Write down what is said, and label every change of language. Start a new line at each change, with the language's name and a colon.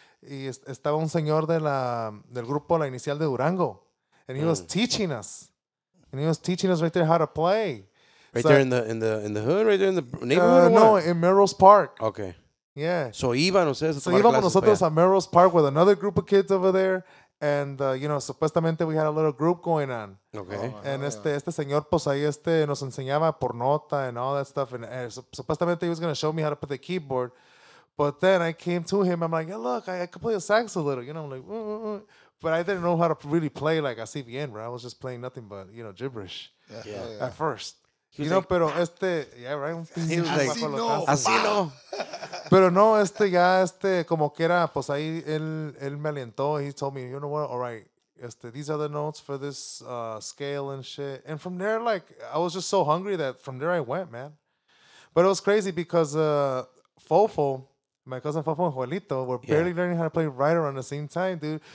Spanish: Y estaba un señor del grupo La Inicial de Durango.
English: And he was teaching us. And he was teaching us right there how to play. Right so, there in the hood? Right there in the neighborhood? No, in Merrill's Park. Okay. Yeah.
Spanish: So iban ustedes a tomar clases. So íbamos nosotros
English: a Merrill's Park with another group of kids over there. And, you know, supuestamente we had a little group going on. Okay.
Spanish: Oh, and este señor, pues ahí nos enseñaba por nota
English: and all that stuff. And supuestamente he was going to show me how to put the keyboard. But then I came to him. I'm like, yeah, look, I could play a sax a little. You know, I'm like, woo. But I didn't know how to really play like a CBN, right? I was just playing nothing but, you know, gibberish yeah. at first. You know, like, pero yeah, right? He was like,
Spanish: así no. Pero no, como que era, pues ahí él me alentó.
English: He told me, you know what, all right, these are the notes for this scale and shit. And from there, like, I was just so hungry that from there I went, man. But it was crazy because Fofo, my cousin Fofo and Juelito, were barely learning how to play right around the same time, dude.